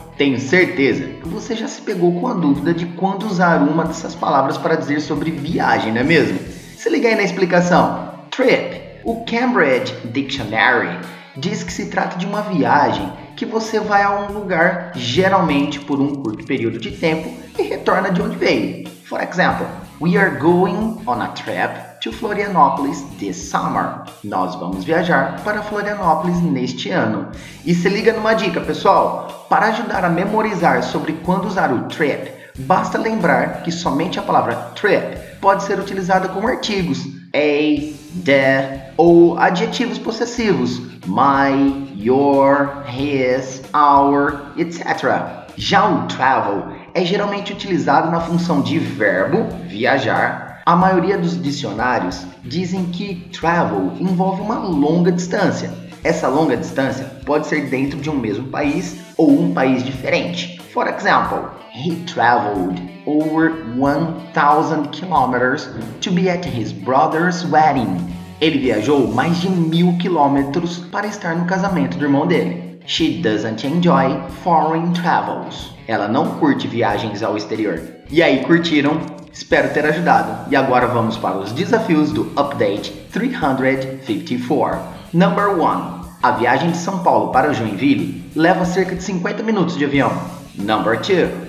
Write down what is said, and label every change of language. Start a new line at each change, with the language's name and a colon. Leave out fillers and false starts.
Portuguese: Tenho certeza que você já se pegou com a dúvida de quando usar uma dessas palavras para dizer sobre viagem, não é mesmo? Se liga aí na explicação. Trip. O Cambridge Dictionary diz que se trata de uma viagem que você vai a um lugar, geralmente por um curto período de tempo, e retorna de onde veio.
English: For example, we are going on a trip to Florianópolis this summer.
Portuguese: Nós vamos viajar para Florianópolis neste ano. E se liga numa dica, pessoal. Para ajudar a memorizar sobre quando usar o trip, basta lembrar que somente a palavra trip pode ser utilizada como artigos. A, the, ou adjetivos possessivos.
English: My, your, his, our, etc.
Portuguese: Já o travel é geralmente utilizado na função de verbo, viajar. A maioria dos dicionários dizem que travel envolve uma longa distância. Essa longa distância pode ser dentro de um mesmo país ou um país diferente.
English: For example, he traveled over 1,000 kilometers to be at his brother's wedding.
Portuguese: Ele viajou mais de 1,000 quilômetros para estar no casamento do irmão dele.
English: She doesn't enjoy foreign travels.
Portuguese: Ela não curte viagens ao exterior. E aí, curtiram? Espero ter ajudado. E agora vamos para os desafios do Update 354.
English: Number 1.
Portuguese: A viagem de São Paulo para Joinville leva cerca de 50 minutos de avião.
English: Number 2.